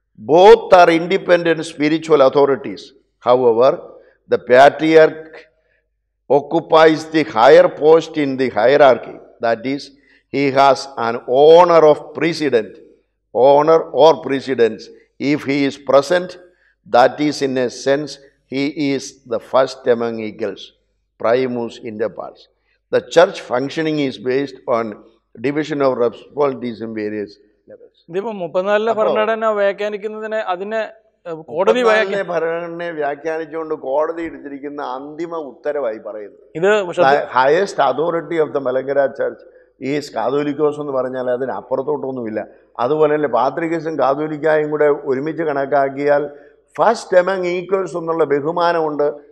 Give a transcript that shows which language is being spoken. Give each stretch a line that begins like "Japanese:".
English: Both are independent spiritual authorities. However, the patriarch occupies the higher post in the hierarchy, that is he has an honour of precedent honour or precedence if he is present, that is in a sense he is the first among equals primus in the parts. The church functioning is based on division of responsibilities in various levels.
Malayalam: ദിവ 34 ഭരണഘടന വ്യാഖ്യാനിക്കുന്നതിനെ അതിനെ കോടതി വ്യാഖ്യാനിച്ചുകൊണ്ട് കോടതി എടുത്തിരിക്കുന്ന അന്തിമ ഉത്തരവായി പറയുന്നു. ഇത്
English: highest authority of the Malankara church is Catholicos
Malayalam: എന്ന് പറഞ്ഞാൽ അതിനപ്പുറത്തോട്ടൊന്നുമില്ല. അതുപോലെ തന്നെ പാത്രികേസും കാതോലിക്കായും കൂടെ ഒരുമിച്ച് കണക്കാക്കിയാൽ
English: first among equals
Malayalam: എന്നുള്ള ബഹുമാനമുണ്ട്.